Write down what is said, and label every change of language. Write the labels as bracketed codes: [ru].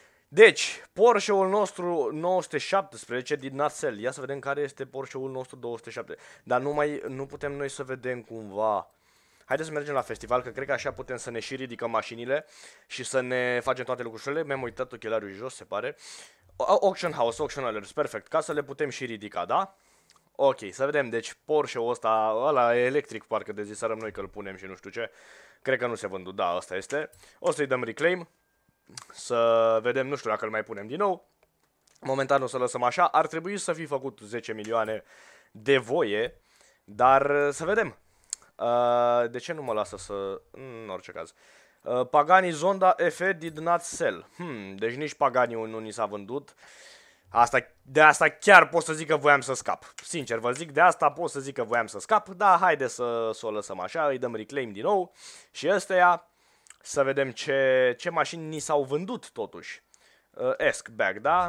[ro] Deci, Porsche-ul nostru 917 din nacelle. Ia să vedem care este Porsche-ul nostru 207. Dar nu putem noi să vedem cumva. Haideți să mergem la festival, că cred că așa putem să ne și ridicăm mașinile și să ne facem toate lucrurile. Mi-am uitat ochelariul jos, se pare. [en] Auction house, auction alerts, perfect. [ro] Ca să le putem și ridica, da? Ok, să vedem. Deci, Porsche-ul ăsta, ăla electric, parcă de ziserăm noi că îl punem și nu știu ce. Cred că nu se vândut, da, ăsta este. O să-i dăm reclaim. Să vedem, nu știu dacă îl mai punem din nou. Momentan o să lăsăm așa. Ar trebui să fi făcut 10 milioane de voie, dar să vedem. De ce nu mă lasă să... În orice caz. [en] Pagani Zonda EFE did not sell. [ro] Deci nici Paganiul nu ni s-a vândut. Asta, de asta chiar pot să zic că voiam să scap. Sincer, vă zic, de asta pot să zic că voiam să scap. Dar haide să o lăsăm așa. Îi dăm reclaim din nou. Și ăsteia. Să vedem ce mașini ni s-au vândut totuși. Esc bag, da?